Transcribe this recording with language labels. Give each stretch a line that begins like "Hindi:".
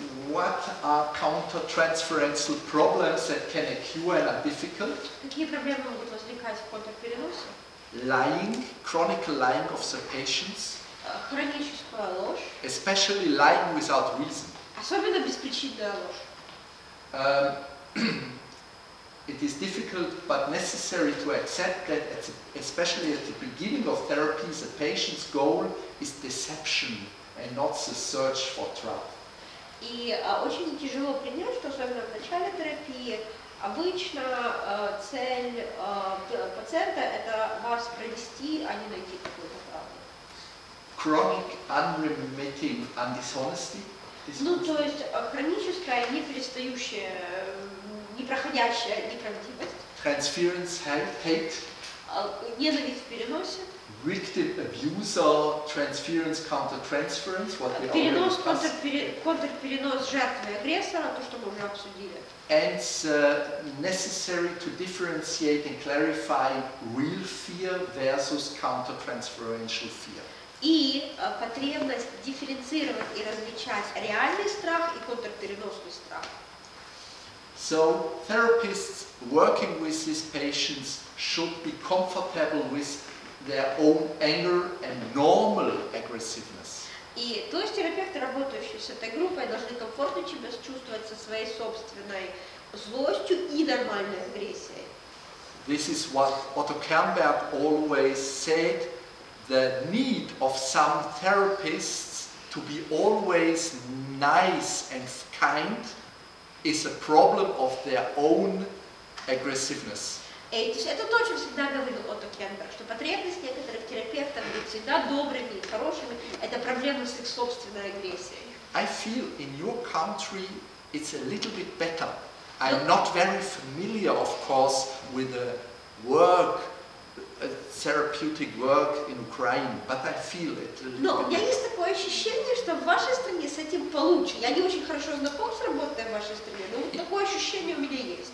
English: What are counter-transferential problems that can occur and are difficult?
Russian: Какие проблемы могут возникать в контрпереносе?
English: Lying, chronic lying of the patients.
Russian: Хроническая ложь.
English: Especially lying without reason.
Russian: Особенно беспричинная ложь.
English: It is difficult but necessary to accept that, especially at the beginning of therapy, the patient's goal is deception. And not the search for truth.
Russian: И очень тяжело принять, что особенно в начале терапии обычно цель пациента это вас провести, а не найти какую-то правду.
English: Chronic unremitting dishonesty.
Russian: Ну то есть хроническая неперестающая, непроходящая неправдивость.
English: Transference hate.
Russian: Ненависть переносит.
English: Victim abuser, transference, counter-transference, what we already discussed.
Russian: Контрперенос жертвы агрессора, то, что мы уже обсудили.
English: And necessary to differentiate and clarify real fear versus counter-transferential fear.
Russian: И потребность дифференцировать и различать реальный страх и контрпереносный страх.
English: So therapists working with these patients should be comfortable with their own anger and normal aggressiveness.
Russian: И то есть терапевты, работающие с этой группой, должны комфортно себя чувствовать со своей собственной злостью и нормальной агрессией.
English: This is what Otto Kernberg always said, the need of some therapists to be always nice and kind is a problem of their own aggressiveness.
Russian: Это то, о чем всегда говорил Отто Кернберг, что потребность некоторых терапевтов быть всегда добрыми и хорошими – это проблема с их собственной агрессией.
English: I feel in your country it's a little bit better. I'm not very familiar, of course, with the work therapeutic work in Ukraine, but I feel it.
Russian: Но у меня есть такое ощущение, что в вашей стране с этим получше. Я не очень хорошо знаком с работой в вашей стране, но вот такое ощущение у меня есть.